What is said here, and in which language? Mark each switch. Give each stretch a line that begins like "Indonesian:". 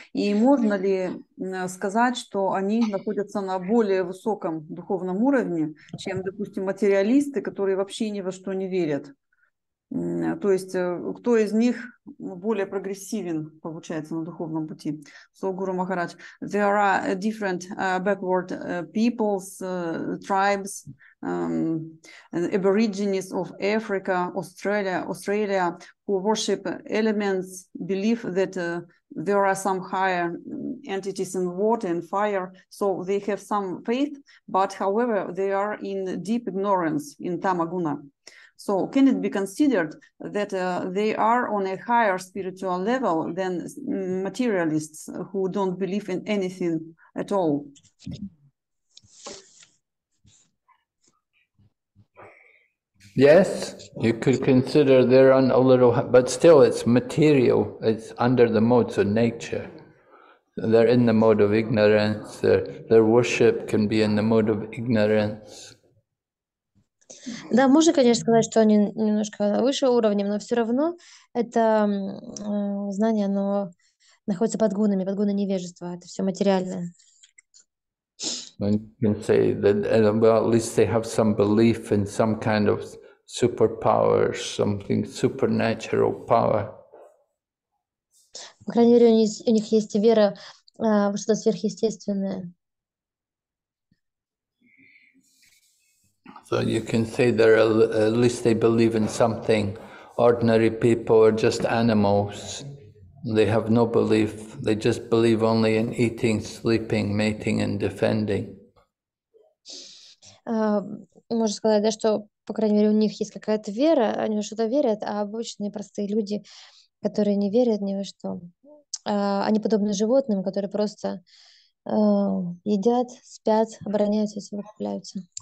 Russian: И можно ли сказать, что они находятся на более высоком духовном уровне, чем, допустим, материалисты, которые вообще ни во что не верят? То есть кто из них более прогрессивен, получается, на духовном пути?
English: So, Guru Maharaj, there are different backward peoples, tribes, aborigines of Africa, Australia, who worship elements, believe that there are some higher entities in water and fire, so they have some faith, but however, they are in deep ignorance in Tamaguna. So can it be considered that they are on a higher spiritual level than materialists who don't believe in anything at all? Yes, you could consider they're on a little, but still it's material. It's under the modes of nature. They're in the mode of ignorance. Their worship can be in the mode of ignorance.
Russian: Да, можно, конечно, сказать, что они немножко выше уровнем, но все равно это знание, оно находится под гунами, под гуной невежества, это все материальное.
English: One can say that, well, at least they have some belief in some kind of superpower, something supernatural power.
Russian: По крайней мере, у них есть вера в что-то сверхъестественное.
English: So you can say they're at least they believe in something. Ordinary people are just animals. They have no belief. They just believe only in eating, sleeping, mating, and defending.
Russian: Можно сказать, да, что по крайней мере у них есть какая-то вера. Они что-то верят, а обычные простые люди, которые не верят ни во что, они подобны животным, которые просто едят, спят, обороняются, совокупляются.